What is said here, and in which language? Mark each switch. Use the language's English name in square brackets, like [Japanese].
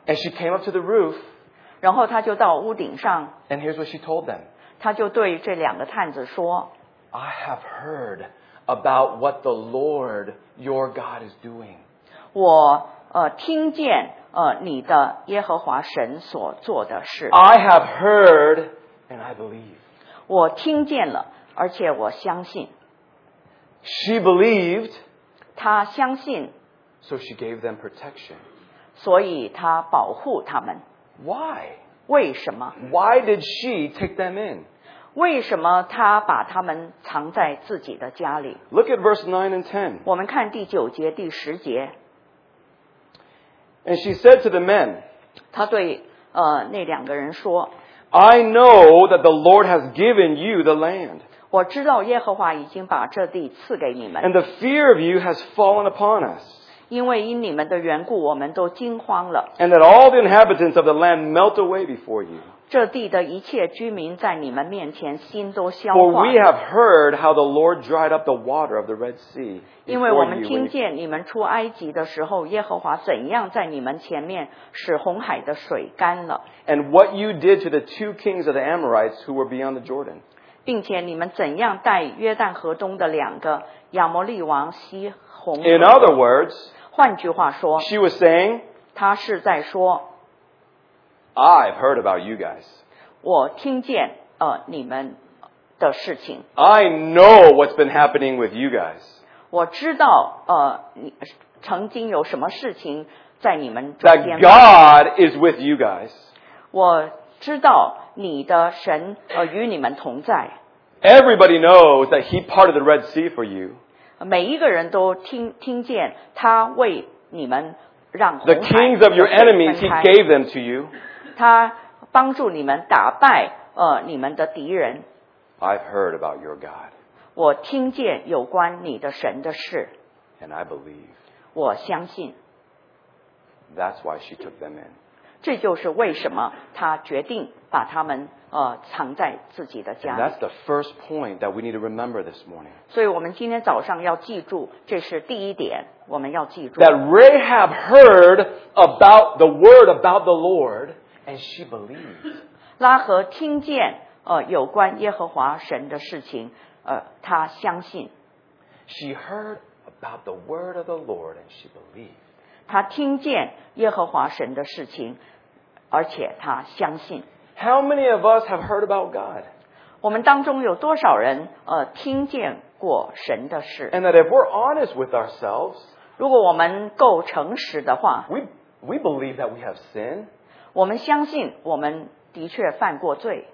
[English] And she came up to the roof. [Chinese] 然后他就到屋顶上。 [English] And here's what she told them. [Chinese] 他就对这两个探子说 [English] ，I have heard about what the Lord your God is doing. [Chinese] 我听见你的耶和华神所做的事。 [English] I have heard and I believe. [Chinese] 我听见了，而且我相信。 [English] She believed. [Chinese] 她相信。 [English] So she gave them protection. [Chinese] 所以她保护他们。 [English] Why? [Chinese] 为什么？ [English] Why did she take them in? [Chinese] 为什么她把他们藏在自己的家里？ [English] Look at verse 9 and 10. [Chinese] 我们看第九节、第十节。 [English] And she said to the men, [Chinese] 她对那两个人说 [English] I know that the Lord has given you the land. [Chinese] 我知道耶和华已经把这地赐给你们。 [English] And the fear of you has fallen upon us. [Chinese] 因为因你们的缘故我们都惊慌了。 [English] And that all the inhabitants of the land melt away before you. [Chinese] 这地的一切居民在你们面前心都消化。 [English] For we have heard how the Lord dried up the water of the Red Sea. [Chinese] 因为我们听见你们出埃及的时候，耶和华怎样在你们前面使红海的水干了。 [English] And what you did to the two kings of the Amorites who were beyond the Jordan. [Chinese] 并且你们怎样待约旦河东的两个亚摩利王西红。 [English] In other words, [Chinese] 换句话说 [English] she was saying, [Chinese] 她是在说 [English] I've heard about you guys. [Chinese] 我听见你们的事情。 [English] I know what's been happening with you guys. [Chinese] 我知道曾经有什么事情在你们中间。 [English] That God is with you guys. [Chinese] 我知道你的神与你们同在。 [English] Everybody knows that he parted the Red Sea for you. [Chinese] 每一个人都听见他为你们让。 [English] The kings of your enemies, he gave them to you. [Chinese] 他帮助你们打败你们的敌人。 [English] I've heard about your God. [Chinese] 我听见有关你的神的事。 [English] And I believe. [Chinese] 我相信。 [English] That's why she took them in. [Chinese] 这就是为什么她决定把他们藏在自己的家里。 [English] And that's the first point that we need to remember this morning. [Chinese] 所以我们今天早上要记住，这是第一点，我们要记住。 [English] That Rahab heard about the word about the Lord. And she believed. [Chinese] 拉合听见有关耶和华神的事情她相信。 [English] She heard about the word of the Lord and she believed. [Chinese] 她听见耶和华神的事情而且她相信。 [English] How many of us have heard about God? [Chinese] 我们当中有多少人听见过神的事。 [English] And that if we're honest with ourselves, [Chinese] 如果我们够诚实的话 [English] we believe that we have sinned. [Chinese] 我们相信我们的确犯过罪。